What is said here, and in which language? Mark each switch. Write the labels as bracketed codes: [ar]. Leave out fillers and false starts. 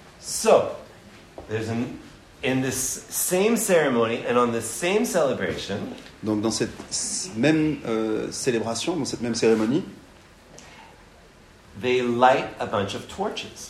[en] So there's an in this same ceremony and on the same celebration. [fr] Donc dans cette même célébration, dans cette même cérémonie, [en] they light a bunch of torches.